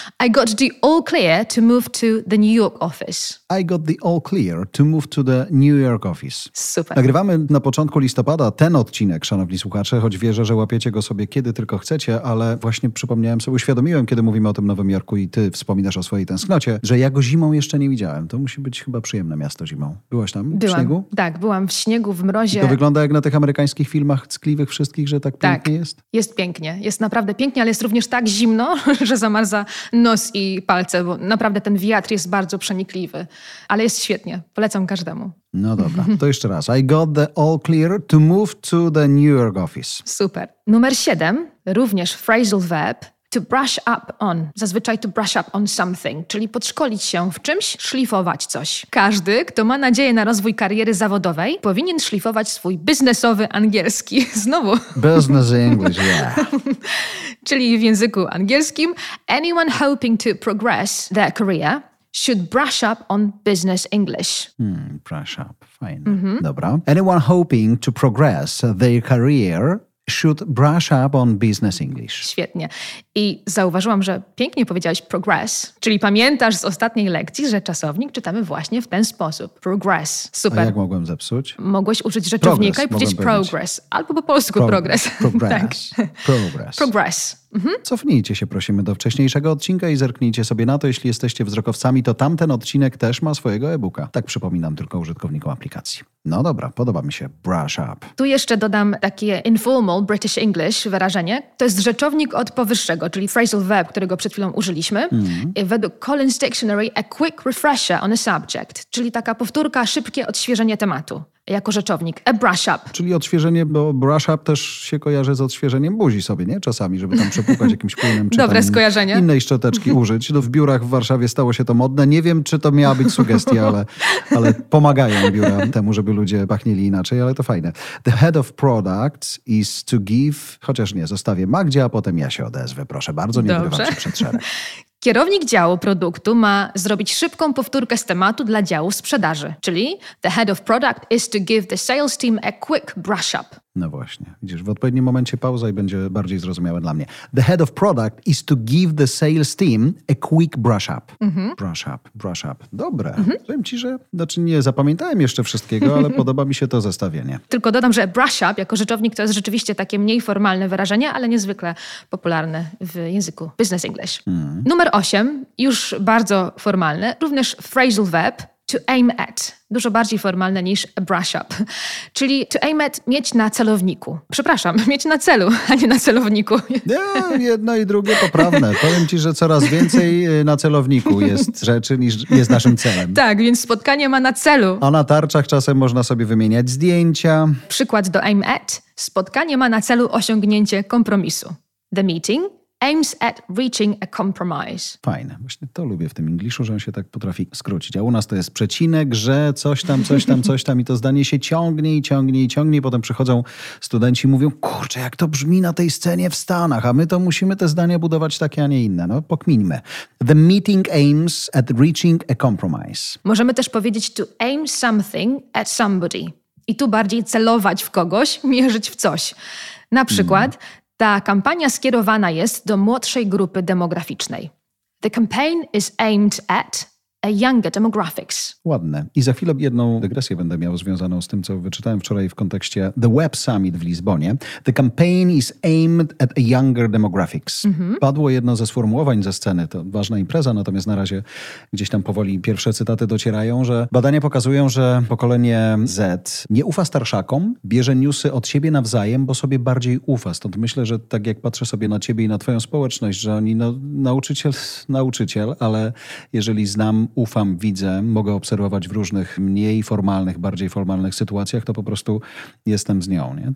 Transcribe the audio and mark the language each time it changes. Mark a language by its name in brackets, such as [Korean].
[English] I got the all clear to move to the New York office. I got the all clear to move to the New York office. [Polish] Super. Nagrywamy na początku listopada ten odcinek, szanowni słuchacze, choć wierzę, że łapiecie go sobie kiedy tylko chcecie, ale właśnie przypomniałem sobie, uświadomiłem, kiedy mówimy o tym Nowym Jorku i ty wspominasz o swojej tęsknocie, że ja go zimą jeszcze nie widziałem. To musi być chyba przyjemne miasto zimą. Byłaś tam? Byłam. W śniegu? Tak, byłam w śniegu, w mrozie. I to wygląda jak na tych amerykańskich filmach ckliwych wszystkich, że tak, tak pięknie jest? Jest pięknie. Jest naprawdę pięknie, ale jest również tak zimno, że zamarza nos i palce, bo naprawdę ten wiatr jest bardzo przenikliwy. Ale jest świetnie. Polecam każdemu. No dobra, to jeszcze raz. [English] I got the all clear to move to the New York office. [Polish] Super. Numer 7, również phrasal verb, To brush up on. Zazwyczaj to brush up on something, czyli podszkolić się w czymś, szlifować coś. Każdy, kto ma nadzieję na rozwój kariery zawodowej, powinien szlifować swój biznesowy angielski. Znowu. [English] Business English, yeah. [Polish] Czyli w języku angielskim. [English] Anyone hoping to progress their career should brush up on business English. [Polish] Brush up, fajne. Mm-hmm. Dobra. [English] Anyone hoping to progress their career should brush up on business English. [Polish] Świetnie. I zauważyłam, że pięknie powiedziałeś progress, czyli pamiętasz z ostatniej lekcji, że czasownik czytamy właśnie w ten sposób. [English] Progress. Super. [Polish] A jak mogłem zepsuć? Mogłeś użyć rzeczownika progress, i powiedzieć progress. Albo po polsku progress. [English] Progress. Tak. Progress. Progress. Mhm. [Polish] Cofnijcie się, prosimy, do wcześniejszego odcinka i zerknijcie sobie na to, jeśli jesteście wzrokowcami, to tamten odcinek też ma swojego e-booka. Tak przypominam tylko użytkownikom aplikacji. No dobra, podoba mi się brush up. Tu jeszcze dodam takie informal British English wyrażenie. To jest rzeczownik od powyższego, czyli phrasal verb, którego przed chwilą użyliśmy. Mhm. I według Collins Dictionary, [English] a quick refresher on a subject, [Polish] czyli taka powtórka, szybkie odświeżenie tematu. Jako rzeczownik. A brush up. Czyli odświeżenie, bo brush up też się kojarzy z odświeżeniem buzi sobie, nie? Czasami, żeby tam przepukać jakimś płynem. Czy dobre skojarzenie. Innej szczoteczki użyć. No w biurach w Warszawie stało się to modne. Nie wiem, czy to miała być sugestia, ale pomagają biura temu, żeby ludzie pachnieli inaczej, ale to fajne. [English] The head of products is to give... [Polish] Chociaż nie, zostawię Magdzie, a potem ja się odezwę. Proszę bardzo, nie wyrywam się przed szereg. Kierownik działu produktu ma zrobić szybką powtórkę z tematu dla działu sprzedaży. [English] Czyli the head of product is to give the sales team a quick brush up. [Polish] No właśnie, widzisz, w odpowiednim momencie pauza i będzie bardziej zrozumiałe dla mnie. [English] The head of product is to give the sales team a quick brush up. Mm-hmm. Brush up, brush up. Dobra, mm-hmm. [Polish] Powiem ci, że znaczy nie zapamiętałem jeszcze wszystkiego, ale podoba mi się to zestawienie. Tylko dodam, że brush up jako rzeczownik to jest rzeczywiście takie mniej formalne wyrażenie, ale niezwykle popularne w języku business English. Mm. Numer 8, już bardzo formalne, również phrasal verb. To aim at. Dużo bardziej formalne niż a brush up. Czyli to aim at, mieć na celowniku. Przepraszam, mieć na celu, a nie na celowniku. Nie, jedno i drugie poprawne. Powiem ci, że coraz więcej na celowniku jest rzeczy niż jest naszym celem. Tak, więc spotkanie ma na celu. A na tarczach czasem można sobie wymieniać zdjęcia. Przykład do aim at. Spotkanie ma na celu osiągnięcie kompromisu. [English] The meeting aims at reaching a compromise. [Polish] Fajne. Właśnie to lubię w tym Englishu, że on się tak potrafi skrócić. A u nas to jest przecinek, że coś tam, i to zdanie się ciągnie i ciągnie i ciągnie. Potem przychodzą studenci i mówią, kurczę, jak to brzmi na tej scenie w Stanach, a my to musimy te zdania budować takie, a nie inne. No, pokmińmy. [English] The meeting aims at reaching a compromise. [Polish] Możemy też powiedzieć to aim something at somebody. I tu bardziej celować w kogoś, mierzyć w coś. Na przykład... Mm. Ta kampania skierowana jest do młodszej grupy demograficznej. [English] The campaign is aimed at a younger demographics. [Polish] Ładne. I za chwilę jedną dygresję będę miał związaną z tym, co wyczytałem wczoraj w kontekście The Web Summit w Lizbonie. [English] The campaign is aimed at a younger demographics. Mm-hmm. [Polish] Padło jedno ze sformułowań ze sceny, to ważna impreza, natomiast na razie gdzieś tam powoli pierwsze cytaty docierają, że badania pokazują, że pokolenie Z nie ufa starszakom, bierze newsy od siebie nawzajem, bo sobie bardziej ufa. Stąd myślę, że tak jak patrzę sobie na ciebie i na twoją społeczność, że oni, no, nauczyciel, ale jeżeli znam, ufam, widzę, mogę obserwować w różnych mniej formalnych, bardziej formalnych sytuacjach, to po prostu jestem z nią. Nie?